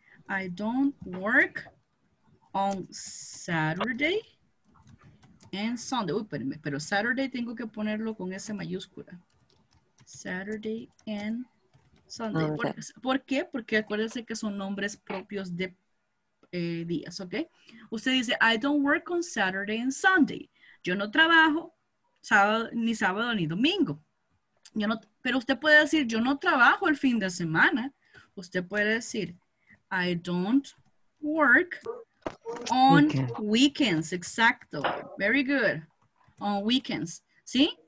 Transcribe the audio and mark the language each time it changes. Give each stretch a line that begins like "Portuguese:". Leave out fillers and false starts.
English: I don't work on Saturday and Sunday.
Spanish: Uy, espérenme, pero Saturday tengo que ponerlo con S mayúscula.
English: Saturday and Sunday. Okay.
Spanish: ¿Por qué? Porque acuérdense que son nombres propios de días, ¿ok? Usted dice,
English: I don't work on Saturday and Sunday.
Spanish: Yo no trabajo sábado ni domingo. Yo no, pero usted puede decir, yo no trabajo el fin de semana. Usted puede decir,
English: I don't work on weekends.
Spanish: Exacto.
English: Very good. On weekends.
Spanish: ¿Sí?